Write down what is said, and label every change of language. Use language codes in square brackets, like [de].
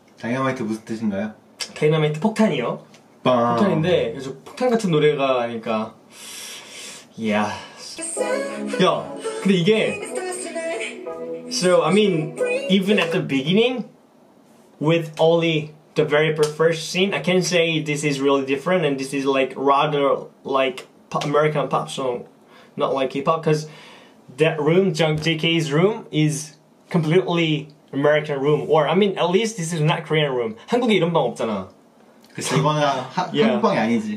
[ko] 다이너마이트 무슨 뜻인가요? 다이너마이트 폭탄이요. 빵. 폭탄인데 그래서 폭탄 같은 노래가 아니까. [en] Yeah. [ko] 야, 근데 이게 [en] so I mean even at the beginning with only the very first scene, I can say this is really different and this is like rather like pop, American pop song, not like K-pop, because that room, JK's room, is completely American room. Or, I mean, at least this is not Korean room. [ko] 한국에 이런 방 없잖아. 그치, 이거는 한국 방이 아니지.